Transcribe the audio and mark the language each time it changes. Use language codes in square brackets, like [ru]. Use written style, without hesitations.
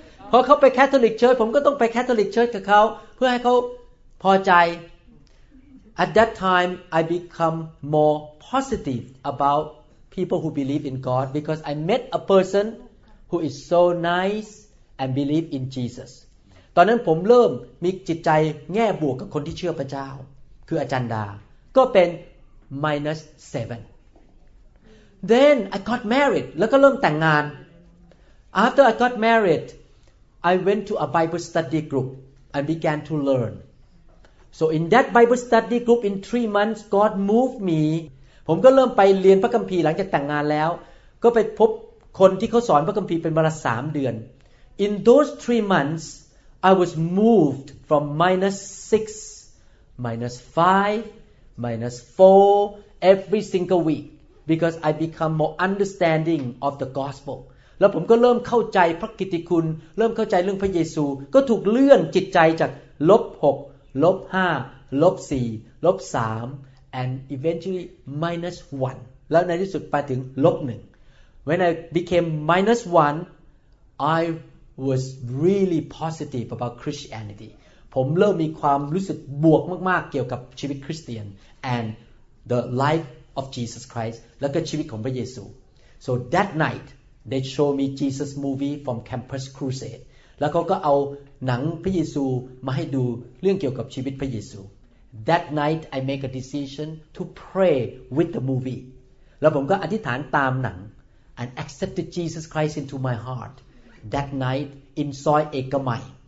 [th] พอเขาไป Catholic church, ผมก็ต้องไป Catholic church กับเขาเพื่อให้เขาพอใจ [en] At that time, I become more positive about. People who believe in God because I met a person who is so nice and believe in Jesus. [th] ตอนนั้นผมเริ่มมีจิตใจแง่บวกกับคนที่เชื่อพระเจ้าคืออาจารย์ดาก็เป็น minus 7. [en] Then I got married [th] แล้วก็เริ่มแต่งงาน [en] After I got married, I went to a Bible study group and began to learn. So in that Bible study group in 3 months, God moved me. [th] ผมก็เริ่มไปเรียนพระคัมภีร์หลังจากแต่งงานแล้วก็ไปพบคนที่เขาสอนพระคัมภีร์เป็นเวลา3เดือน [en] In those 3 months I was moved from minus 6 minus 5 minus 4 every single week because I become more understanding of the gospel [th] แล้วผมก็เริ่มเข้าใจพระกิตติคุณเริ่มเข้าใจเรื่องพระเยซูก็ถูกเลื่อนจิตใจจากลบ6ลบ5ลบ4ลบ3 [en] and eventually minus 1. [th] แล้วในที่สุดไปถึงลบ1. [en] When I became minus 1, I was really positive about Christianity. [th] ผมเริ่มมีความรู้สึกบวกมากๆเกี่ยวกับชีวิตคริสเตียน [en] and the life of Jesus Christ [th] แล้วก็ชีวิตของพระเยซู. [en] So that night, they showed me Jesus movie from Campus Crusade. [th] แล้วเขาก็เอาหนังพระเยซูมาให้ดูเรื่องเกี่ยวกับชีวิตพระเยซู [en] That night I make a decision to pray with the movie [th] แล้วผมก็อธิษฐานตามหนัง [en] and accepted Jesus Christ into my heart That night in Soi Ekamai